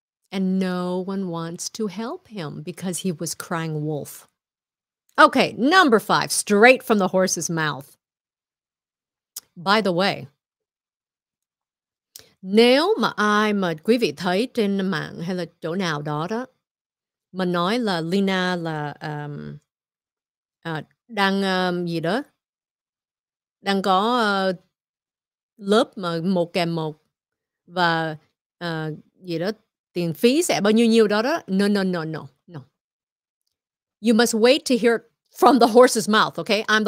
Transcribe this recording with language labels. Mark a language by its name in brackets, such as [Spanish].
[English] And no one wants to help him because he was crying wolf. Okay, number five, straight from the horse's mouth. By the way, [Vietnamese] nếu mà ai mà quý vị thấy trên mạng hay là chỗ nào đó đó, mà nói là Leyna là đang có lớp mà một kèm một và gì đó tiền phí sẽ bao nhiêu đó đó, no. [English] You must wait to hear from the horse's mouth, okay?